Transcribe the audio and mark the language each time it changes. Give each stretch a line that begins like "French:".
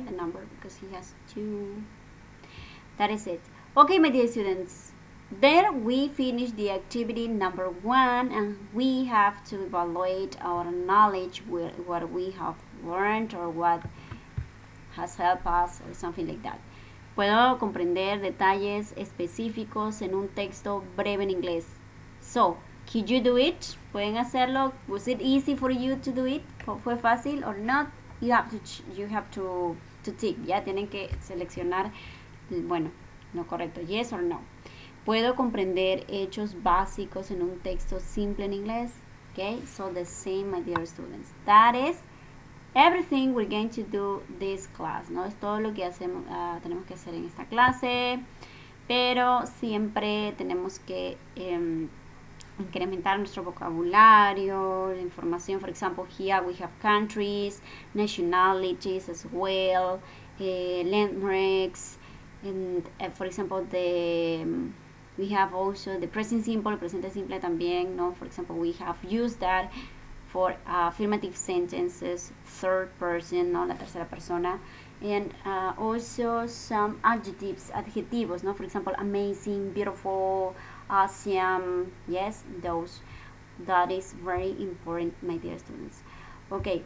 English: The number, because he has two. That is it. Okay, my dear students. There we finish the activity number one, and we have to evaluate our knowledge, what we have learned or what has helped us or something like that.
Spanish: Puedo comprender detalles específicos en un texto breve en inglés.
English: So, can you do it? ¿Pueden hacerlo? Was it easy for you to do it? ¿Fue fácil or not? You have to tick.
Spanish: Ya tienen que seleccionar, bueno, lo correcto. Yes or no. ¿Puedo comprender hechos básicos en un texto simple en inglés?
English: Okay, so the same, my dear students. That is everything we're going to do this class.
Spanish: No es todo lo que hacemos, tenemos que hacer en esta clase, pero siempre tenemos que incrementar nuestro vocabulario, la información.
English: For example, here we have countries, nationalities as well, landmarks, and for example, the we have also the present simple, presente simple también, no? For example, we have used that for affirmative sentences, third person, no, la tercera persona, and also some adjectives, adjetivos, no? For example, amazing, beautiful, awesome, yes, those. That is very important, my dear students. Okay.